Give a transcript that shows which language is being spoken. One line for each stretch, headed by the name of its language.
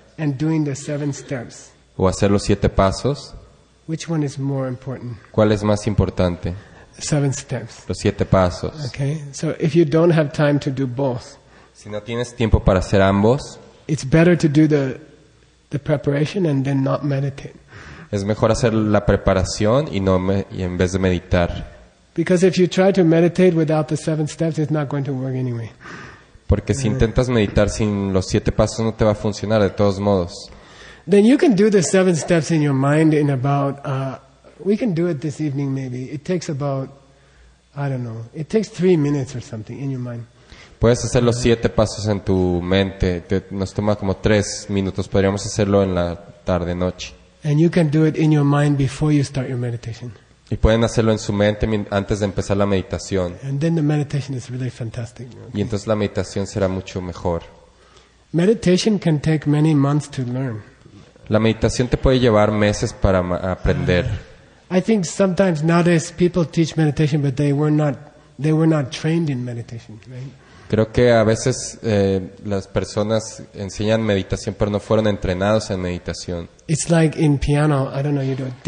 English: and doing the seven steps,
Spanish: o hacer los siete pasos,
English: which one is more important?
Spanish: ¿Cuál es más importante?
English: Seven steps.
Spanish: Los siete pasos.
English: Okay. So if you don't have time to do both,
Spanish: si no tienes tiempo para hacer ambos,
English: it's better to do the preparation and then not meditate.
Spanish: Es mejor hacer la preparación y no y en vez de meditar.
English: Because if you try to meditate without the seven steps, it's not going to work anyway.
Spanish: Porque si intentas meditar sin los siete pasos, no te va a funcionar de todos modos.
English: Then you can do the seven steps in your mind in about we can do it this evening maybe. It takes about, I don't know, it takes 3 minutes or something in your mind.
Spanish: Puedes hacer los 7 pasos en tu mente. Nos toma como 3 minutos. Podríamos hacerlo en la tarde noche.
English: And you can do it in your mind before you start your meditation.
Spanish: Y pueden hacerlo en su mente antes de empezar la meditación.
English: And then the meditation is really fantastic. Okay.
Spanish: Y entonces la meditación será mucho mejor.
English: Meditation can take many months to learn.
Spanish: La meditación te puede llevar meses para aprender.
English: I think sometimes nowadays people teach meditation, but they were not trained in meditation, right?
Spanish: Creo que a veces las personas enseñan meditación, pero no fueron entrenados en meditación.
English: It's like in piano, I don't know, you do.